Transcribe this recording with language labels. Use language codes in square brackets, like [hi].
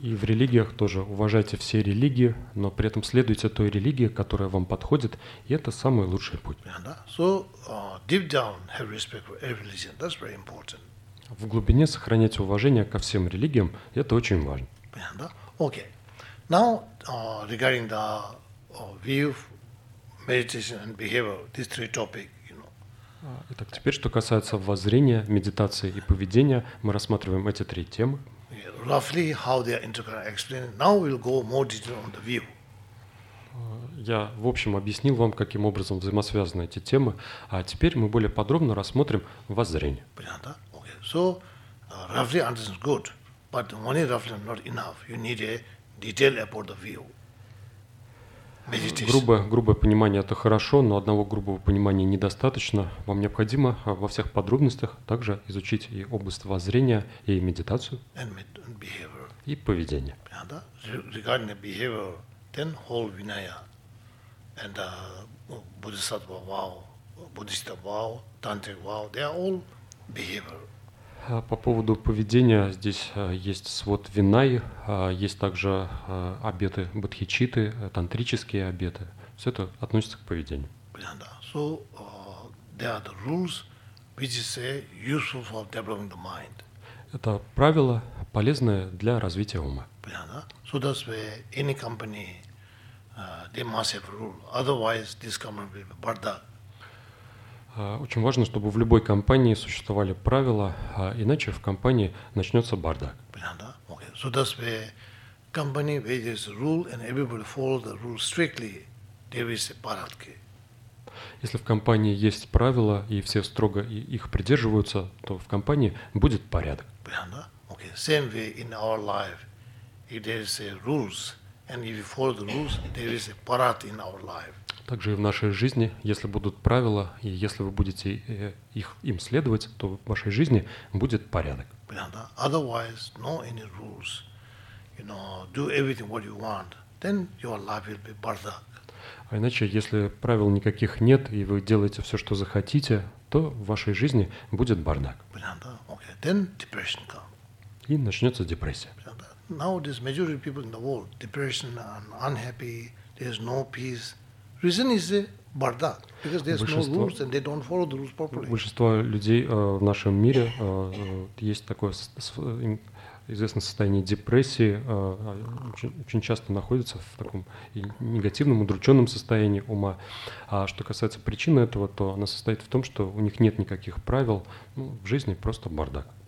[ru] И в религиях тоже уважайте все религии, но при этом следуйте той религии, которая вам подходит, и это самый лучший путь. [en] Yeah, so deep down have respect for every religion. That's very important. [ru] В глубине сохранять уважение ко всем религиям, это очень важно. [en] Yeah, okay. Now regarding the view, meditation and behavior, these three topics. [ru] Итак, теперь, что касается воззрения, медитации и поведения, мы рассматриваем эти три темы. [en] Roughly how they are interconnected. Explain. Now we'll go more detail on the view. [ru] Я в общем объяснил вам, каким образом взаимосвязаны эти темы, а теперь мы более подробно рассмотрим воззрение. Понятно? [en] Okay. So roughly understanding is good, but only roughly not enough. You need a detail about the view. [ru] Грубое понимание – это хорошо, но одного грубого понимания недостаточно. Вам необходимо во всех подробностях также изучить и область воззрения, и медитацию, и поведение. [en] Regarding the behavior, then whole Vinaya, and Bodhisattva vow, Buddhist vow, Tantric vow, they are all behavior. [ru] По поводу поведения, здесь есть свод Винаи, есть также обеты бодхичитты, тантрические обеты. Все это относится к поведению. Понятно. [en] So, there are the rules which is useful for developing the mind. [ru] Это правила, полезные для развития ума. Понятно. [en] So, that's where any company, they must have rule. Otherwise, this company will be bardak. [ru] Очень важно, чтобы в любой компании существовали правила, иначе в компании начнется бардак. Понятно? Okay. [en] So that's where company where there's a rule and everybody follows the rule strictly, there is a bardak. [ru] Если в компании есть правила и все строго их придерживаются, то в компании будет порядок. Понятно? Okay. [en] Same way in our life, if there's a rules and if you follow the rules, there is a bardak in our life. [ru] Также и в нашей жизни, если будут правила, и если вы будете им следовать, то в вашей жизни будет порядок. Понятно. [en] Otherwise, no any rules. You know, do everything what you want. Then your life will be bardak. [ru] А иначе, если правил никаких нет, и вы делаете все, что захотите, то в вашей жизни будет бардак. Понятно. [en] Okay. Then depression comes. [ru] И начнется депрессия. Понятно. [en] Now there's majority of people in the world. Depression and unhappy. There's no peace. Reason is [ru] бардак. [en] Because there's no rules and they don't follow the rules properly. [ru] Большинство людей в нашем мире есть такое известное состояние депрессии, очень часто находится в таком негативном, удрученном состоянии ума. А что касается причины этого, то она состоит в том, что у них нет никаких правил, ну, в жизни просто бардак.